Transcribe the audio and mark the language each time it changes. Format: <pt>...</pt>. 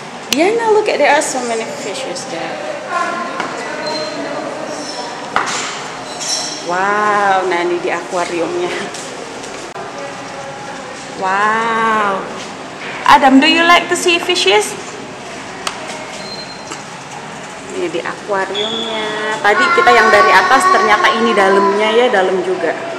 <en>Diana, look at, there are so many fishes there.</en> <id>Wow, nah ini di akuariumnya. Wow.</id> <en>Adam, do you like to see fishes?</en> <id>Ini di akuariumnya. Tadi kita yang dari atas ternyata ini dalamnya ya, dalam juga.</id>